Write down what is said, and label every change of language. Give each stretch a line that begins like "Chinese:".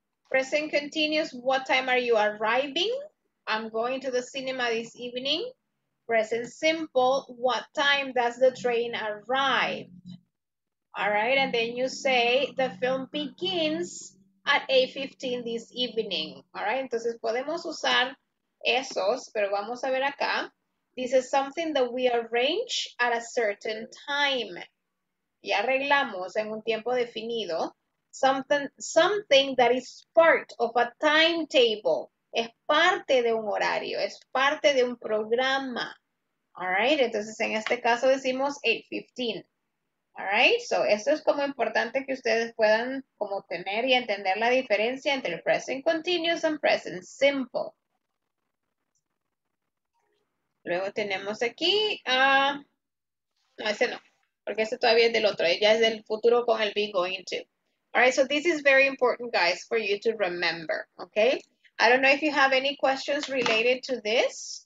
English: Present continuous, what time are you arriving? I'm going to the cinema this evening. Present simple, what time does the train arrive? All right, and then you say the film begins at 8:15 this evening, all right?
Spanish: Entonces, podemos usar esos, pero vamos a ver acá.
English: This is something that we arrange at a certain time.
Spanish: Y arreglamos en un tiempo definido.
English: Something that is part of a timetable.
Spanish: Es parte de un horario, es parte de un programa. All right? Entonces, en este caso decimos 8:15.
English: All right, so
Spanish: esto es como importante que ustedes puedan como tener y entender la diferencia entre el present continuous and present simple. Luego tenemos aquí, no, ese no, porque ese todavía es del otro, ya es del futuro con el be going to.
English: All right, so this is very important, guys, for you to remember, okay? I don't know if you have any questions related to this.